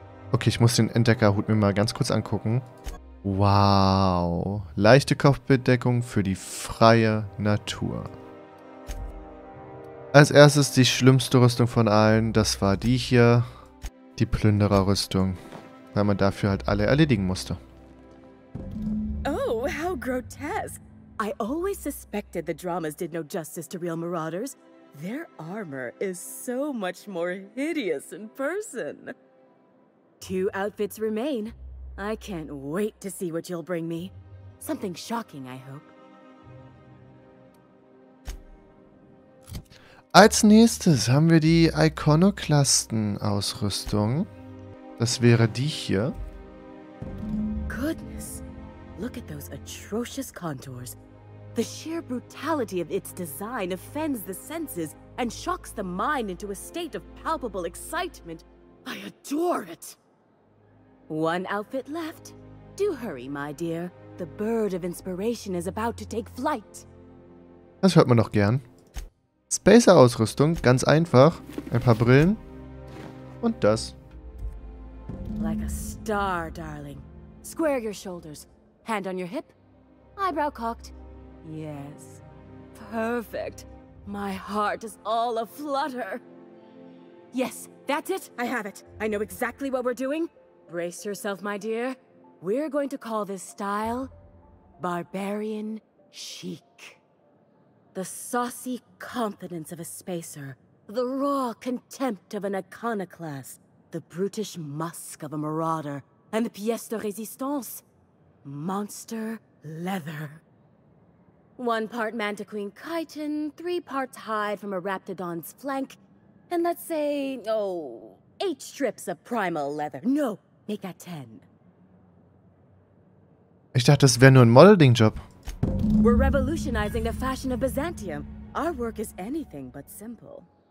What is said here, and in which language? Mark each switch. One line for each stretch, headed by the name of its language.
German: Okay, ich muss den Entdeckerhut mir mal ganz kurz angucken. Wow. Leichte Kopfbedeckung für die freie Natur. Als erstes die schlimmste Rüstung von allen. Das war die hier. Die Plündererrüstung. Weil man dafür halt alle erledigen musste.
English: Oh, how grotesque. I always suspected the dramas did no justice to real marauders. Their armor is so much more hideous in person. Two outfits remain. I can't wait to see what you'll bring me. Something shocking, I hope.
German: Als nächstes haben wir die Iconoklasten-Ausrüstung. Das wäre die hier.
English: Goodness, look at those atrocious contours. The sheer brutality of its design offends the senses and shocks the mind into a state of palpable excitement. I adore it. One outfit left. Do hurry, my dear. The bird of inspiration is about to take flight.
German: Das hört man doch gern. Spacer-Ausrüstung, ganz einfach. Ein paar Brillen. Und das.
English: Like a star, darling. Square your shoulders. Hand on your hip. Eyebrow cocked. Yes. Perfect. My heart is all a flutter. Yes, that's it. I have it. I know exactly what we're doing. Brace yourself, my dear. We're going to call this style barbarian chic. The saucy confidence of a spacer. The raw contempt of an iconoclast. The brutish musk of a marauder. And the pièce de résistance. Monster leather. One part Manta Queen chitin, three parts hide from a Raptodon's flank, and let's say, oh, 8 strips of primal leather. No, make that 10.
German: Ich dachte, das wäre nur ein Modeling-Job.
English: We're revolutionizing the fashion of Byzantium. Our work is anything but simple.